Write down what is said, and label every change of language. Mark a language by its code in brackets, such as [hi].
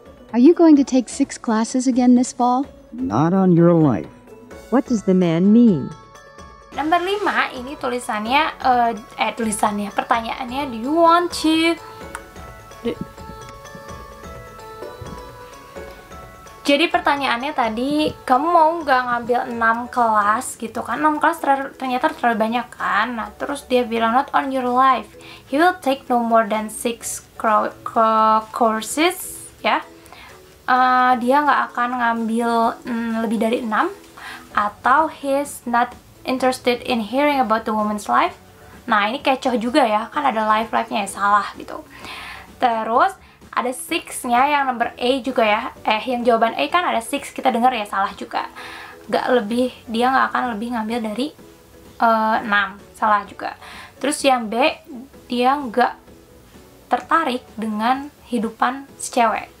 [en] Are you going to take 6 classes again this fall? Not on your life. What does the man mean? [id] Nomor 5, ini tulisannya, pertanyaannya, do you want to... Jadi pertanyaannya tadi, kamu mau nggak ngambil 6 kelas gitu kan? 6 kelas ternyata terlalu banyak kan? Nah, terus dia bilang, not on your life. [en] He will take no more than 6 courses, ya. [id] Dia nggak akan ngambil lebih dari 6. [en] Atau he's not interested in hearing about the woman's life. [id] Nah, ini kecoh juga ya. Kan ada life-life-nya yang salah gitu. Terus, ada 6-nya yang number A juga ya. Yang jawaban A kan ada 6, kita dengar ya salah juga. Gak lebih, dia gak akan lebih ngambil dari 6, salah juga. Terus yang B, dia gak tertarik dengan hidupan secewek.